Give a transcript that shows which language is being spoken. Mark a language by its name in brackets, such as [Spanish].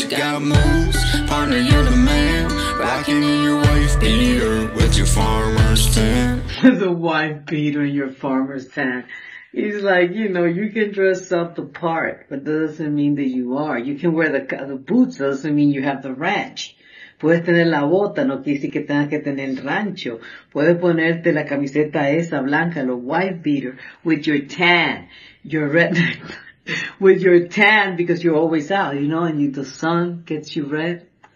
[English] You got moves, partner, you're the man. Rocking in your wife beater with your farmer's tan. The wife beater in your farmer's tan. He's like, you know, you can dress up the part, but that doesn't mean that you are. You can wear the boots, that doesn't mean you have the ranch. [Spanish] Puedes tener la bota, no quiere decir que tengas que tener el rancho. Puedes ponerte la camiseta esa blanca, los [English] white beater, with your tan, your red, with your tan, because you're always out, you know, and the sun gets you red.